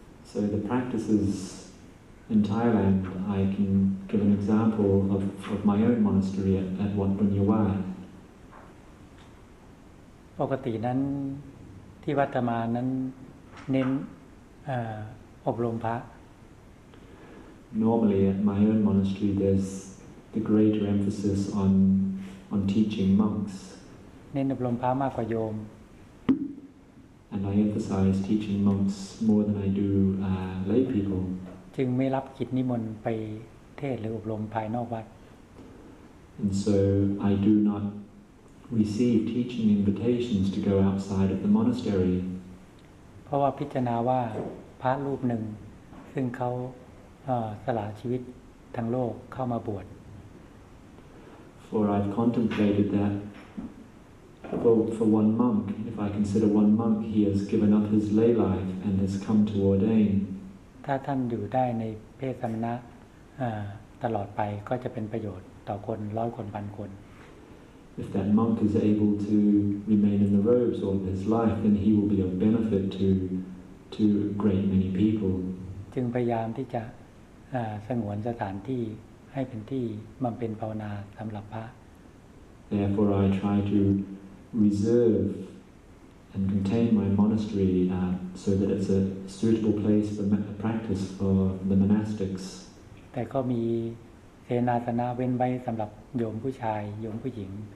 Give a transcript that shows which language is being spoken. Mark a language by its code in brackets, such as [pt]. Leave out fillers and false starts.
[en] So the practices in Thailand I can give an example of my own monastery at Wat Bunyawat [th] ปกตินั้นที่วัดอาตมานั้นเน้นอบรมพระ [en] Normally at my own monastery there's the greater emphasis on teaching monks [th] เน้นอบรมพระมากกว่าโยม [en] And I emphasize teaching monks more than I do lay people [th] จึงไม่รับกิจนิมนต์ไปเทศหรืออบรมภายนอกวัด [en] And so I do notreceive teaching invitations to go outside of the monastery [th] เพราะว่าพิจารณาว่าพระรูปหนึ่งซึ่งเขาสละชีวิตทั้งโลกเข้ามาบวช [en] For I've contemplated that for one monk if I consider one monk he has given up his lay life and has come to ordain [th] ถ้าท่านอยู่ได้ในเพศสมณะตลอดไปก็จะเป็นประโยชน์ต่อคน100คน 1,000 คน [en] If that monk is able to remain in the robes all his life, then he will be of benefit to great many people. [th] จึงพยายามที่จะสงวนสถานที่ให้เป็นที่บำเพ็ญภาวนาสำหรับพระ [en] Therefore, I try to reserve and contain my monastery so that it's a suitable place for practice for the monastics. [th] แต่ก็มีเสนาสนะเว้นไว้สำหรับโยมผู้ชายโยมผู้หญิง